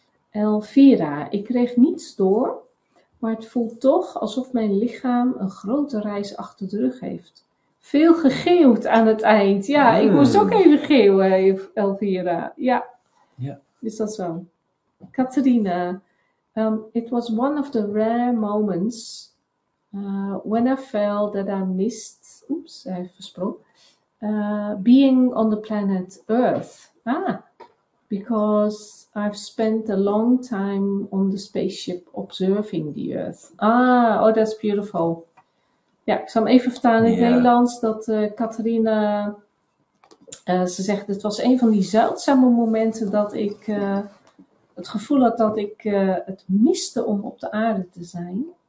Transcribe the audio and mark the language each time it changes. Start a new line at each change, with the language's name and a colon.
Dutch: Elvira, ik kreeg niets door. Maar het voelt toch alsof mijn lichaam een grote reis achter de rug heeft. Veel gegeeuwd aan het eind. Ja, ik moest ook even geeuwen, Elvira. Ja. Ja. Is dat zo? Katharina.
English: It was one of the rare moments when I felt that I missed...
Dutch: Oeps, hij heeft versprongen.
English: Being on the planet Earth. Ah, because I've spent a long time on the spaceship observing the Earth. Ah, oh, that's beautiful.
Dutch: Ja, ik zal hem even vertalen in het Nederlands. Dat Katharina, ze zegt, het was een van die zeldzame momenten dat ik het gevoel had dat ik het miste om op de aarde te zijn.